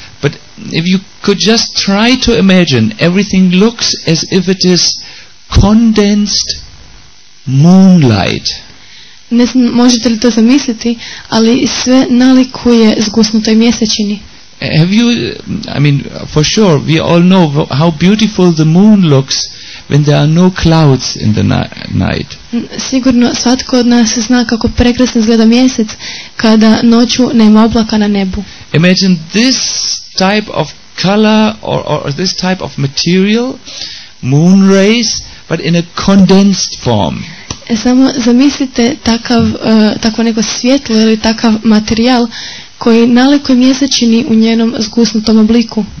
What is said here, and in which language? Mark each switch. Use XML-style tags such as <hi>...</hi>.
<en>But if you could just try to imagine, everything looks as if it is condensed moonlight.</en> <hr>Ne znam, možete li to zamisliti, ali sve nalikuje zgusnutoj mjesečini.</hr> <en>Have you, I mean, for sure, we all know how beautiful the moon looks when there are no clouds in the night.</en> <hr>Sigurno svatko od nas zna kako prekrasno izgleda mjesec kada noću nema oblaka na nebu.</hr> <en>Imagine this type of color or this type of material, moon rays, but in a condensed form.</en> <hr>Samo zamislite takav, takvo neko svjetlo ili takav materijal koji nalikuje mjesečini u njenom zgusnutom obliku.</hr>